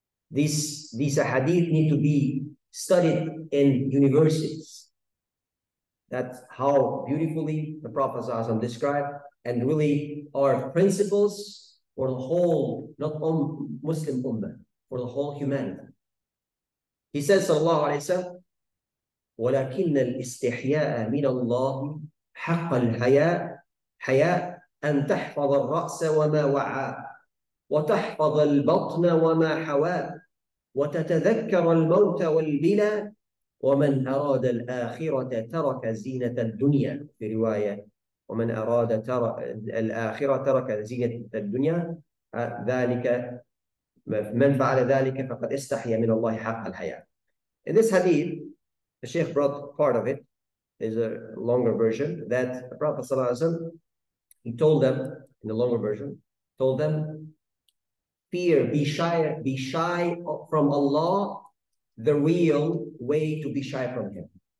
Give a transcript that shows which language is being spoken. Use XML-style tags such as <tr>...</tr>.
<en>These hadith need to be studied in universities. That's how beautifully the Prophet sallallahu alaihi wasallam described, and really are principles for the whole, not only Muslim ummah, for the whole humanity. He says</en> <ar>sallallahu alaihi wasallam, وَلَكِنَّ الْإِسْتِحْيَاءَ مِنَ اللَّهِ حق الحياء حياء أن تحفظ الرأس وما وعى وتحفظ البطن وما حوى وتتذكر الموت والبلى ومن أراد الآخرة ترك زينة الدنيا في رواية ومن أراد الآخرة ترك زينة الدنيا ذلك من فعل ذلك فقد استحيا من الله حق الحياء.</ar> <en>In this hadith, the Sheikh brought part of it. Is a longer version that the Prophet ﷺ, he told them, in the longer version, told them, fear, be shy from Allah, the real way to be shy from Him.</en>